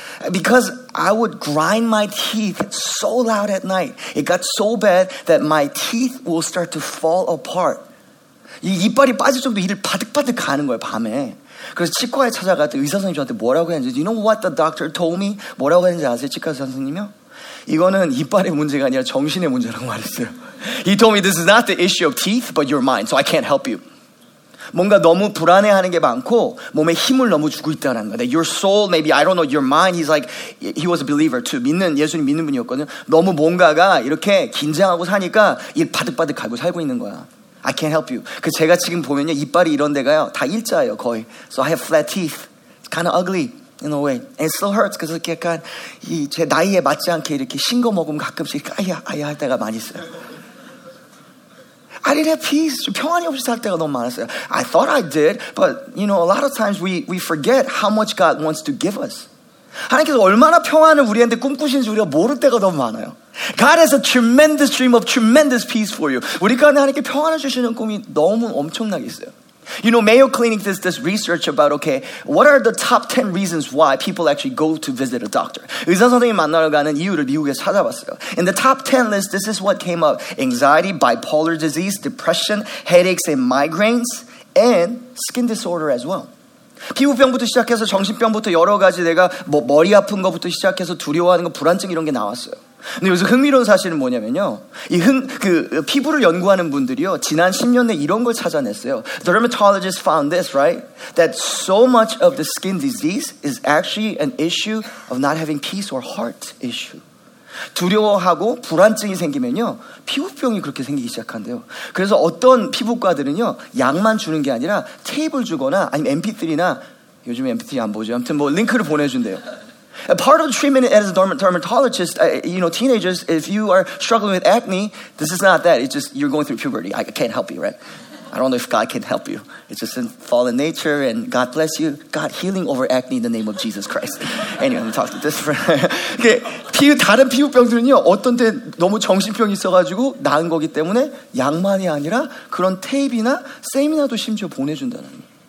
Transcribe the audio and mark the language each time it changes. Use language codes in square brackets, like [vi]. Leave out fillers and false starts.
[en] Because I would grind my teeth so loud at night. It got so bad that my teeth will start to fall apart. [ko] 이빨이 빠질 정도로 이를 바득바득 가는 거예요, 밤에. 그래서 치과에 찾아갔더니 의사 선생님 저한테 뭐라고 했는지, [en] You know what the doctor told me? [ko] 뭐라고 했는지 아세요, 치과 선생님이요? 이거는 이빨의 문제가 아니라 정신의 문제라고 말했어요. [en] He told me this is not the issue of teeth, but your mind, so I can't help you. [ko] 뭔가 너무 불안해하는 게 많고 몸에 힘을 너무 주고 있다는 거예요. [en] Your soul, maybe, I don't know, your mind, he's like, he was a believer too. [ko] 예수님 믿는 분이었거든요. 너무 뭔가가 이렇게 긴장하고 사니까 일 바득바득 갈고 살고 있는 거야. [en] I can't help you. [ko] 그 제가 지금 보면요, 이빨이 이런 데가요, 다 일자예요, 거의. [en] So I have flat teeth. It's kind of ugly. In a way, and it still hurts because it's [ko] 약간 이 제 나이에 맞지 않게 이렇게 싱거 먹으면 가끔씩 아야 아야 할 때가 많이 있어요. [en] I didn't have peace. [ko] 평안이 없이 살 때가 너무 많았어요. [en] I thought I did, but you know, a lot of times we forget how much God wants to give us. [ko] 하나님께서 얼마나 평안을 우리한테 꿈꾸시는지 우리가 모를 때가 너무 많아요. [en] God has a tremendous dream of tremendous peace for you. [ko] 우리 가운데 하나님께 평안을 주시는 꿈이 너무 엄청나게 있어요. [en] You know, Mayo Clinic does this research about, okay, what are the top 10 reasons why people actually go to visit a doctor? [ko] 의사 선생님 만나러 가는 이유를 미국에서 찾아봤어요. [en] In the top 10 list, this is what came up. Anxiety, bipolar disease, depression, headaches and migraines, and skin disorder as well. [ko] 피부병부터 시작해서 정신병부터 여러 가지 내가 뭐 머리 아픈 거부터 시작해서 두려워하는 거, 불안증 이런 게 나왔어요. 근데 여기서 흥미로운 사실은 뭐냐면요. 피부를 연구하는 분들이요. 지난 10년 내 이런 걸 찾아냈어요. [en] Dermatologists found this, right? That so much of the skin disease is actually an issue of not having peace or heart issue. [ko] 두려워하고 불안증이 생기면요. 피부병이 그렇게 생기기 시작한대요. 그래서 어떤 피부과들은요. 약만 주는 게 아니라 테이블 주거나 아니면 MP3나 요즘에 MP3 안 보죠. 아무튼 뭐 링크를 보내준대요. [en] A part of the treatment as a dermatologist, you know, teenagers, if you are struggling with acne, this is not that. It's just you're going through puberty. I can't help you, right? I don't know if God can help you. It's just in fallen nature, and God bless you. God healing over acne in the name of Jesus Christ. Anyway, I'm talking to this friend. [ko] 이게 피 다른 피부병들은요, 어떤 데 너무 정신병이 있어가지고 나은 거기 때문에 약만이 아니라 그런 테이프나 세미나도 심지어 보내준다는 거예요.